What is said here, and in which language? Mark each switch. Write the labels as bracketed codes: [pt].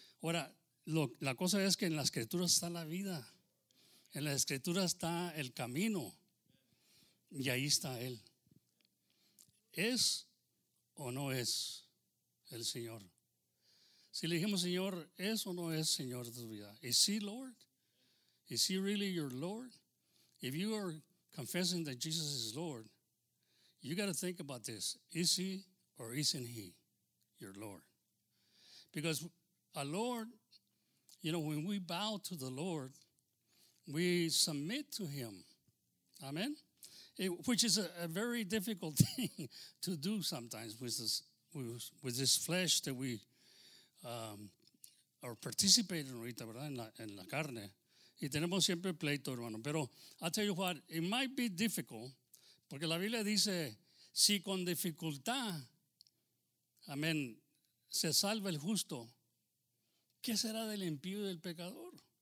[es] Ahora, la cosa es que en las escrituras está la vida. En las escrituras está el camino. Y ahí está Él. ¿Es o no es el Señor? Si le dijimos, Señor, ¿es o no es Señor de tu vida? [en] ¿Es He Lord? ¿Es He really your Lord? If you are confessing that Jesus is Lord, you got to think about this. ¿Is He or isn't He your Lord? Because a Lord, you know, when we bow to the Lord, we submit to Him. Amen? Which is a very difficult thing to do sometimes with this flesh that we are participating in, [es] ¿verdad? En la carne. Y tenemos siempre pleito, hermano. Pero [en] I'll tell you what, it might be difficult, [es] porque la Biblia dice, si con dificultad, amén, se salva el justo, ¿qué será del impío y del pecador?